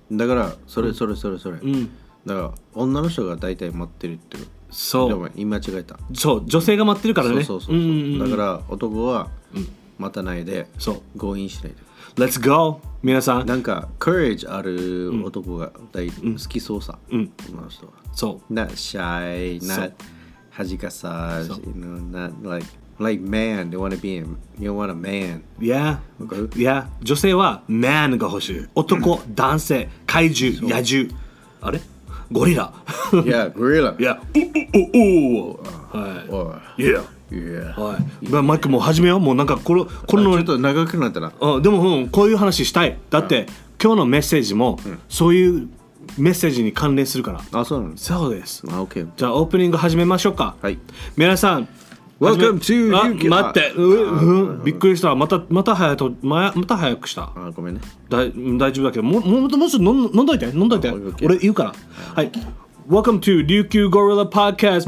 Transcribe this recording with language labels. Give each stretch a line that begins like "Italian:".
Japanese: だからそれそれそれそれ。うん、だから女の人が大体待ってるっていう。そう。でも今間違えた。そう、女性が待ってるからね。そうそうそう。だから男は待たないで、そう、強引しないで。
English: Let's go、
Japanese: 皆さん。なんか courage ある男が大、うん、好きそうさ。うん、女の人は。そう。
English: Not shy, not
Japanese: 恥かさ、
English: you know, not like。 Like man, they want to be a, you want a man. Yeah. Okay. Yeah.
Japanese: 女性は man が欲しい。男、男性、怪獣、野獣。あれ？ゴリラ。
English: Yeah, gorilla. Yeah. おおおお。はい。Yeah. Yeah.
Japanese: はい。まあ、マイクもう始めよう。もうなんかこのちょっと長くなったな。うん。でも、うん、こういう話したい。だって、今日のメッセージも、そういうメッセージに関連するから。あ、そうなの。そうです。あ、OK。じゃあオープニング始めましょうか。はい。皆さん、
English: Welcome to you.
Japanese: 待って、うん、びっくりした。また早と、また早くした。あ、ごめんね。大丈夫だけど、もうちょっと飲んどいて、飲んどいて。俺言うから。はい。
English: Welcome to 琉球ゴリラ Podcast。